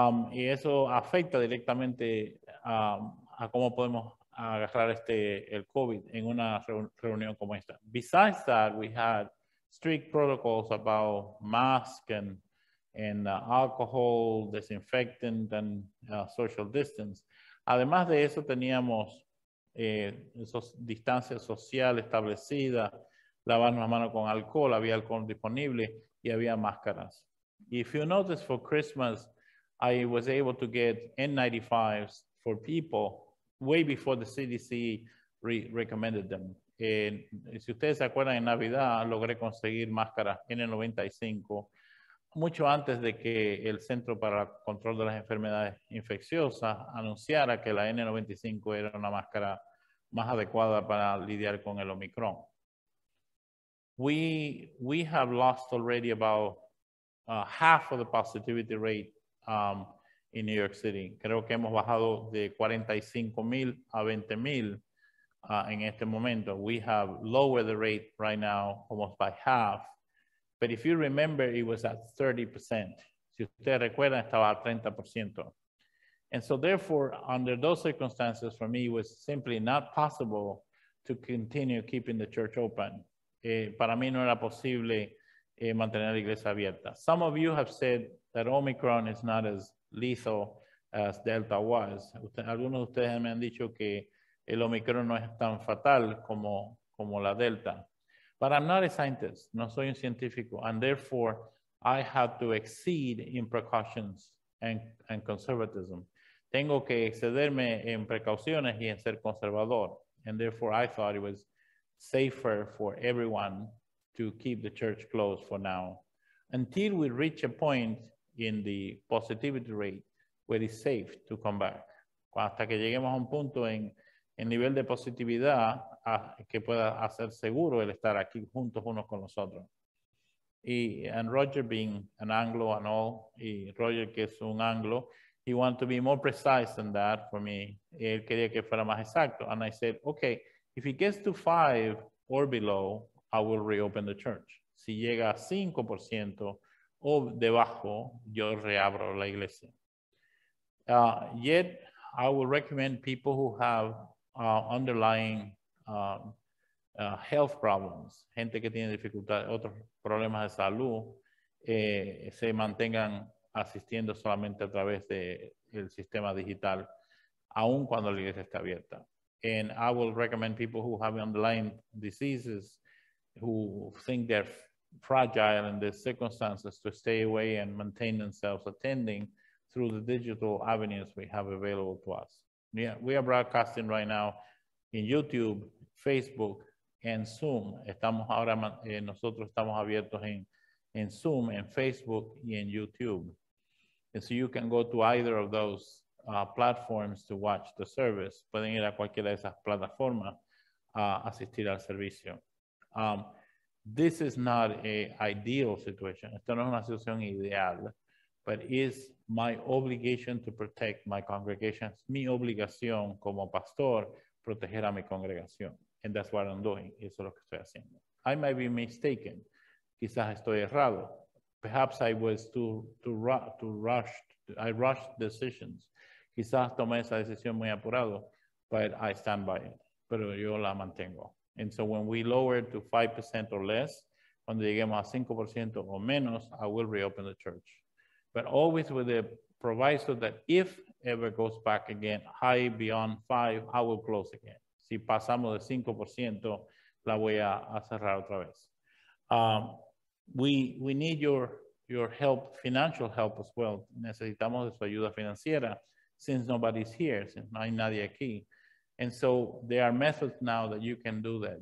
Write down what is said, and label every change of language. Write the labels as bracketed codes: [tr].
[es] Y eso afecta directamente a cómo podemos agarrar el COVID en una reunión como esta. [en] Besides that, we had strict protocols about masks and alcohol, disinfectant, and social distance. [es] Además de eso, teníamos distancia social establecida, lavarnos las manos con alcohol, había alcohol disponible y había máscaras. [en] If you notice, for Christmas, I was able to get N95s for people way before the CDC recommended them. [es] Si ustedes se acuerdan, en Navidad logré conseguir máscaras N95 mucho antes de que el Centro para el Control de las Enfermedades Infecciosas anunciara que la N95 era una máscara más adecuada para lidiar con el Omicron. [en] We have lost already about half of the positivity rate in New York City. [es] Creo que hemos bajado de 45,000 a 20,000 en este momento. [en] We have lowered the rate right now almost by half. But if you remember, it was at 30%. [es] Si ustedes recuerdan, estaba a 30%. [en] And so therefore, under those circumstances, for me, it was simply not possible to continue keeping the church open. [es] Para mí no era posible mantener la iglesia abierta. [en] Some of you have said that Omicron is not as lethal as Delta was. [es] Algunos de ustedes me han dicho que el Omicron no es tan fatal como la Delta. [en] But I'm not a scientist. [es] No soy un científico. [en] And therefore, I have to exceed in precautions and conservatism. [es] Tengo que excederme en precauciones y en ser conservador. [en] And therefore, I thought it was safer for everyone to keep the church closed for now, until we reach a point in the positivity rate where it's safe to come back. [es] Hasta que lleguemos a un punto en nivel de positividad que pueda hacer seguro el estar aquí juntos unos con los otros. [en] And Roger, being an Anglo and all, [es] y Roger, que es un Anglo, [en] he wanted to be more precise than that for me. [es] Él quería que fuera más exacto. [en] And I said, okay, if it gets to 5 or below, I will reopen the church. [es] Si llega a 5% o debajo, yo reabro la iglesia. [en] Yet, I will recommend people who have underlying health problems, [es] gente que tiene dificultad, otros problemas de salud, se mantengan asistiendo solamente a través del sistema digital, aun cuando la iglesia está abierta. [en] And I will recommend people who have underlying diseases, who think they're fragile in these circumstances, to stay away and maintain themselves attending through the digital avenues we have available to us. Yeah, we are broadcasting right now in YouTube, Facebook, and Zoom. [es] Estamos ahora, nosotros estamos abiertos en Zoom, en Facebook, y en YouTube. [en] And so you can go to either of those platforms to watch the service. [es] Pueden ir a cualquiera de esas plataformas a asistir al servicio. [en] This is not a ideal situation. [es] Esto no es una situación ideal, [en] but is my obligation to protect my congregation. [es] Es mi obligación como pastor proteger a mi congregación. [en] And that's what I'm doing. [es] Eso es lo que estoy haciendo. [en] I may be mistaken. [es] Quizás estoy errado. [en] Perhaps I was rushed decisions. [es] Quizás tomé esa decisión muy apurado, [en] but I stand by it. [es] Pero yo la mantengo. [en] And so when we lower to 5% or less, [es] cuando lleguemos a 5% o menos, I will reopen the church. [en] But always with the proviso that if ever goes back again high beyond 5, I will close again. [es] Si pasamos de 5%, la voy a cerrar otra vez. [en] We need your help, financial help as well. [es] Necesitamos de su ayuda financiera, [en] since nobody's here, [es] since no hay nadie aquí. [en] And so there are methods now that you can do that.